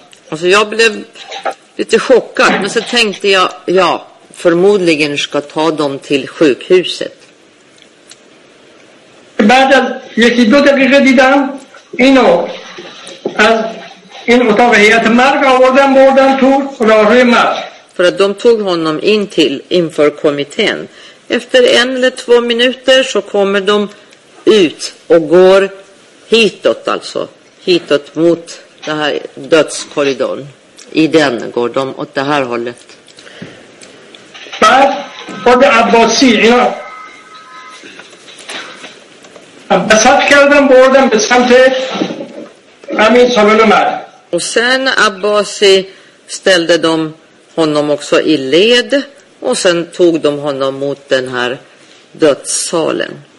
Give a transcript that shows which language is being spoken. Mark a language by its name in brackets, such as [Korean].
[Swedish] Alltså jag blev lite chockad, men så tänkte jag, ja, förmodligen ska ta dem till sjukhuset. [Persian] بعد از یکی دو دقیقه دیدم اینو از این اتاق هیئت مرگ آوردن بردن تو راهروی مرگ. [Swedish] För att de tog honom in till inför kommittén. Efter en eller två minuter så kommer de ut och går hitåt, alltså hitåt mot det här dödskorridoren. I den går de åt det här hållet. [Persian] بعد خود عباسی اینا بسط کردم بردم به سمت همین سالن مرگ. [Swedish] Och sen Abbasi ställde dem honom också i led och sen tog de honom mot den här dödssalen.